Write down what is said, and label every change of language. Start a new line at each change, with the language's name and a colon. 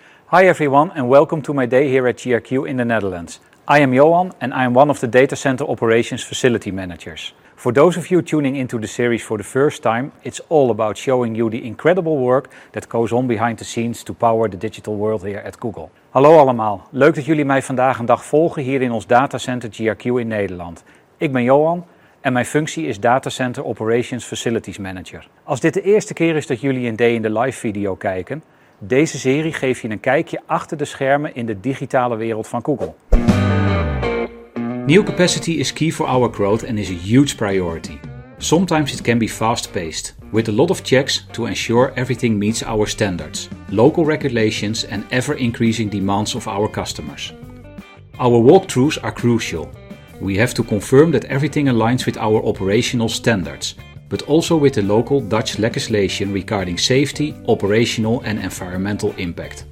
English: Hi everyone, and welcome to my day here at GRQ in the Netherlands. I am Johan, and I am one of the Data Center Operations Facility Managers. For those of you tuning into the series for the first time, it's all about showing you the incredible work that goes on behind the scenes to power the digital world here at Google.
Dutch: Hallo allemaal, leuk dat jullie mij vandaag een dag volgen hier in ons Data Center GRQ in Nederland. Ik ben Johan. En mijn functie is Data Center Operations Facilities Manager. Als dit de eerste keer is dat jullie een Day in the Life video kijken, deze serie geeft je een kijkje achter de schermen in de digitale wereld van Google.
English: New capacity is key for our growth and is a huge priority. Sometimes it can be fast-paced, with a lot of checks to ensure everything meets our standards, local regulations and ever-increasing demands of our customers. Our walkthroughs are crucial. We have to confirm that everything aligns with our operational standards, but also with the local Dutch legislation regarding safety, operational and environmental impact.